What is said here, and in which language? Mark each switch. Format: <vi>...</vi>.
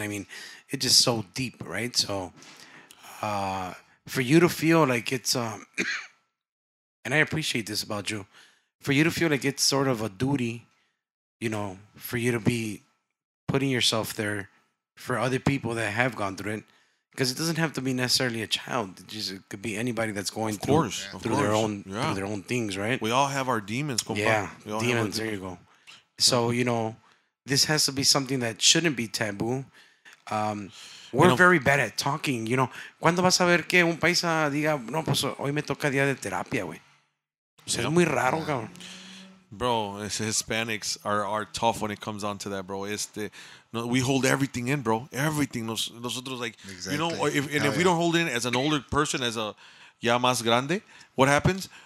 <en>I mean, it's just so deep, right? So for you to feel like it's, and I appreciate this about you, for you to feel like it's sort of a duty, you know, for you to be putting yourself there for other people that have gone through it. Because it doesn't have to be necessarily a child. It just, it could be anybody that's going through their own through their own things, right? We all have our demons, compa. Yeah, demons, there you go. So, you know, this has to be something that shouldn't be taboo. We're very bad at talking, you know.</en> <es>¿Cuándo vas a ver que un paisa diga, no, pues hoy me toca día de terapia, güey? Es muy raro, cabrón.</es> <en>Bro, Hispanics are tough when it comes down to that, bro. We hold everything in, bro. Everything. Nosotros, like, exactly. You know, if we don't hold it in as an older person, as a</en> <es>ya más grande,</es> <en>what happens?</en>